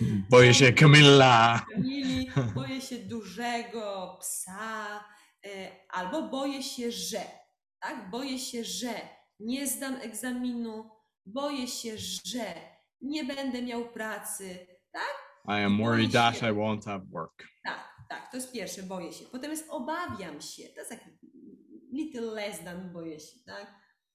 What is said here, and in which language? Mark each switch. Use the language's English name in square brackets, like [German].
[Polish] Boję się Kamila. Boję się dużego psa. Albo boję się, że. Tak? Boję się, że nie zdam egzaminu. Boję się, że nie będę miał pracy. Tak? [English] I am worried that I won't have work. [Polish] Tak, tak. To jest pierwsze, boję się. Potem jest obawiam się. To jest taki... [English] Little less than, [Polish] boję się, tak?